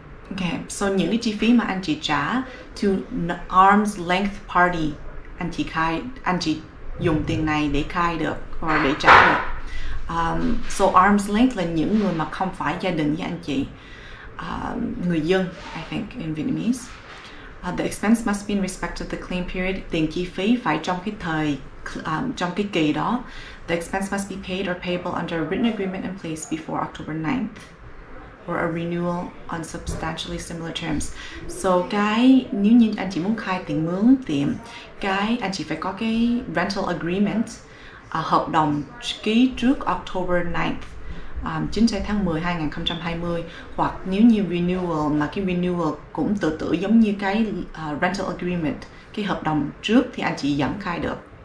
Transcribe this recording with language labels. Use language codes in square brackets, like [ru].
[vi] Okay, so những cái chi phí mà anh chị trả [en] to arm's length party, [vi] anh chị dùng tiền này để khai được và để trả được. So arm's length là những người mà không phải gia đình như anh chị, người dân, [en] I think in Vietnamese. The expense must be in respect of the claim period. [vi] Tiền chi phí phải trong cái thời, trong cái kỳ đó. [en] The expense must be paid or payable under a written agreement in place before October 9th, or a renewal on substantially similar terms. [vi] So cái, nếu như anh chị muốn khai tiền mướn tiệm, cái anh chị phải có cái [en] rental agreement, [vi] hợp đồng ký trước [en] October 9th, [vi] chính xác tháng 10 2020, hoặc nếu như renewal mà cái renewal cũng tự giống như cái rental agreement, cái hợp đồng trước, thì anh chị vẫn khai được.